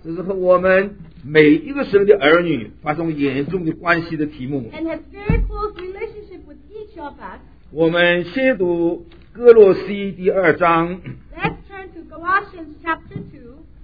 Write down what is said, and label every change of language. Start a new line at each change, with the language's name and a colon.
Chinese: 这是和我们每一个神的儿女发生严重的关系的题目。
English: And have very close relationship with each of us.
Chinese: 我们先读哥罗西第二章。
English: Let's turn to Galatians chapter 2.